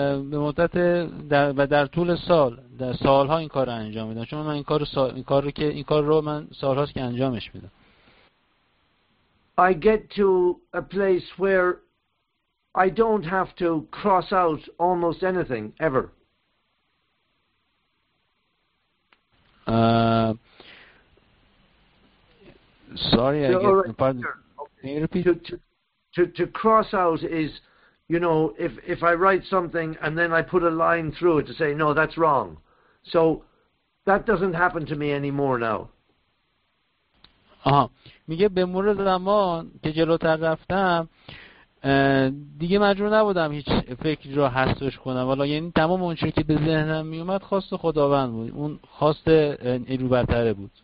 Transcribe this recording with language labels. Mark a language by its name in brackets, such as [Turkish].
[Persian] به مدت در و در طول سال، در سالها این کار رو انجام میدم. چون من این کار رو من سالهاست که انجامش میدم. [English] I get to a place where I don't have to cross out almost anything ever. Sorry, I get right, pardon. Sure. Okay. To cross out is, you know, if I write something and then I put a line through it to say no, that's wrong. So that doesn't happen to me anymore now. [Persian] آها میگه به مرور زمان که جلوتر رفتم دیگه مجبور نبودم هیچ فکری رو حسش کنم، ولی یعنی تمام اون چیزی که به ذهنم می اومد خواست خداوند بود، اون خواست نیرو برتره بود.